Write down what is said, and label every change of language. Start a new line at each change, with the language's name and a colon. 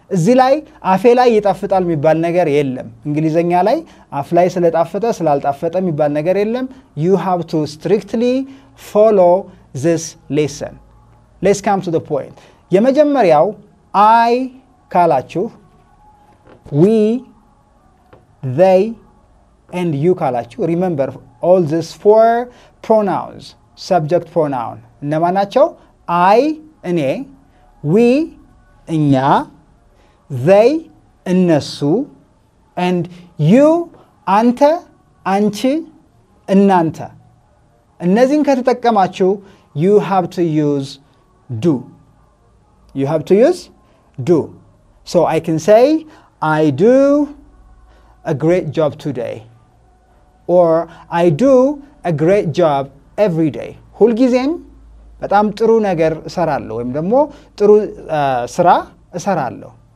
Amharic: እዚ ላይ አፌ ላይ ይጣፍጣል የሚባል ነገር የለም. እንግሊዘኛ ላይ አፍ ላይ ስለጣፈጠ ስላልጣፈጠ የሚባል ነገር የለም.
English: you have to strictly follow this lesson. Let's come to the point. የመጀመሪያው I ካላችሁ, we, they, and you ካላችሁ, remember all these four pronouns, subject pronoun.
Amharic: እነማናቸው? I, እኔ, we, እኛ, they, እነሱ, and you, አንተ, አንቺ, እናንተ. እነዚህን ከተጠቀማችሁ,
English: you have to use do. You have to use do. So I can say, I do a great job today. Or I do a great job every day.
Amharic: ሁል ጊዜም በጣም ጥሩ ነገር እሰራለሁ ወይም ደግሞ ጥሩ ስራ እሰራለሁ.